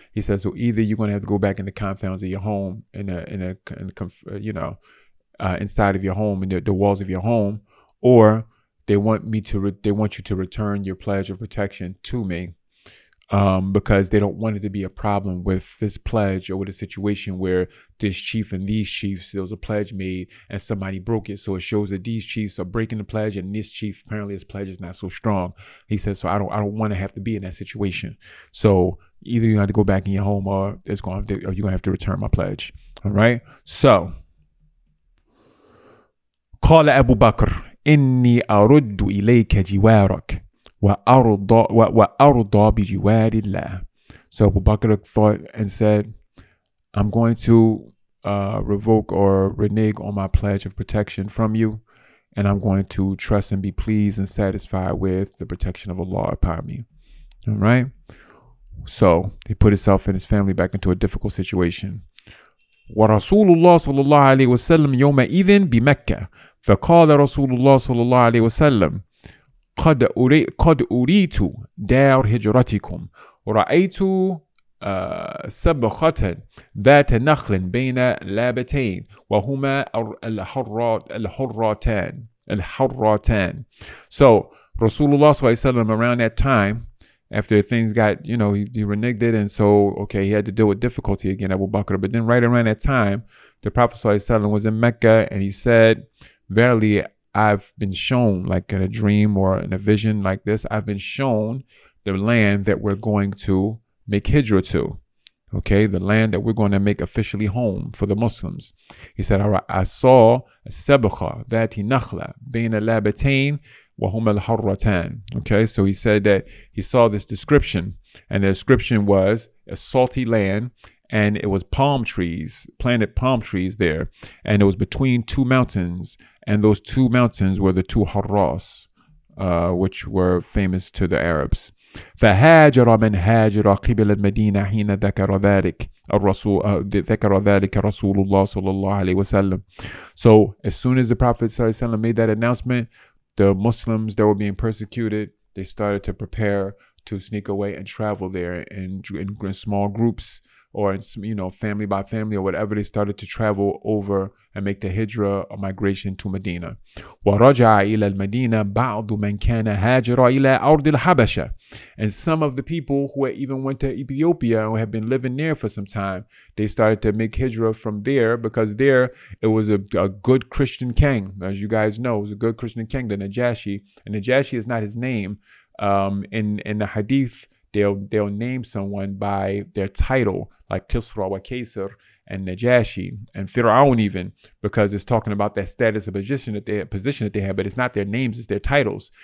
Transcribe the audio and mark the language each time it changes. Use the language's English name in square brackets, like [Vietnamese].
[English] He says, so either you're going to have to go back in the confines of your home, inside of your home, in the walls of your home, or they want you to return your pledge of protection to me, because they don't want it to be a problem with this pledge or with a situation where this chief and these chiefs, there was a pledge made and somebody broke it. So it shows that these chiefs are breaking the pledge and this chief, apparently his pledge is not so strong. He says, so I don't want to have to be in that situation. So either you have to go back in your home or it's going to, or you're going to have to return my pledge. All right. So. [Arabic] قال أبو بكر إني أرد إليك جوارك. وَأَرُضَى بِجِوَارِ اللَّهِ [English] So Abu Bakr thought and said, I'm going to revoke or renege on my pledge of protection from you, and I'm going to trust and be pleased and satisfied with the protection of Allah upon me. All right? So he put himself and his family back into a difficult situation. [Arabic] وَرَسُولُ اللَّهِ صَلَّى اللَّهُ عَلَيْهِ وَسَلَّمْ يَوْمَ إِذٍ بِمَكَّةِ فَقَالَ رَسُولُ اللَّهِ صَلَّى اللَّهُ عَلَيْهِ وَسَلَّمْ قد أريت دار هجرتكم ورأيت سبخة ذات نخل بين لابتين وهما الحرتان [English] So Rasulullah [Arabic] صلى الله عليه وسلم, [English] around that time, after things got, you know, he reneged it. And so, okay, he had to deal with difficulty again, Abu Bakr. But then right around that time, the Prophet ﷺ was in Mecca and he said, verily, I've been shown, like in a dream or in a vision like this, I've been shown the land that we're going to make hijrah to. Okay, the land that we're going to make officially home for the Muslims. He said, all right, I saw a [Arabic] sabakha, dhati nakhla, bain al-labatain wa hum al-harratan. [English] Okay, so he said that he saw this description, and the description was a salty land, and it was palm trees, planted palm trees there, and it was between two mountains, and those two mountains were the two harras, which were famous to the Arabs. [Arabic] فهاجر من هاجر قبل المدينة حين ذكر ذلك الرسول ذكر ذلك رسول الله صلى الله عليه وسلم. [English] So as soon as the Prophet [Arabic] صلى الله عليه وسلم [English] made that announcement, the Muslims that were being persecuted, they started to prepare to sneak away and travel there in small groups, or in, you know, family by family or whatever. They started to travel over and make the hijrah or migration to Medina. [Arabic] ورجع إلى المدينة بعض من كان هاجر إلى أرض الحبشة. [English] And some of the people who had even went to Ethiopia and had been living there for some time, they started to make hijrah from there, because there it was a good Christian king. As you guys know, it was a good Christian king, the Najashi. And Najashi is not his name. In the hadith, they'll name someone by their title, like Kisra wa Kaiser and Najashi and Fir'aun even, because it's talking about that status of position that they have, but it's not their names, it's their titles.